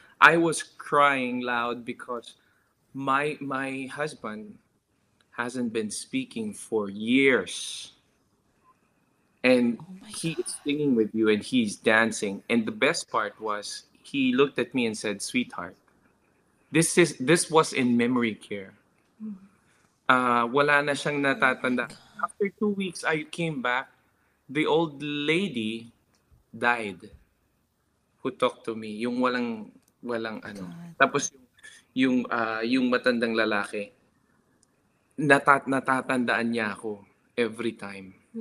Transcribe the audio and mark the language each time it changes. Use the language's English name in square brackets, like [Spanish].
[English] I was crying loud because my husband hasn't been speaking for years, and he is singing with you and he's dancing. And the best part was he looked at me and said, "Sweetheart, this was in memory care. [Filipino] Wala na siyang natatanda." [English] After 2 weeks, I came back. The old lady died who talked to me. [Filipino] Yung walang ano. God. Tapos yung matandang lalaki, natatandaan niya ako every time.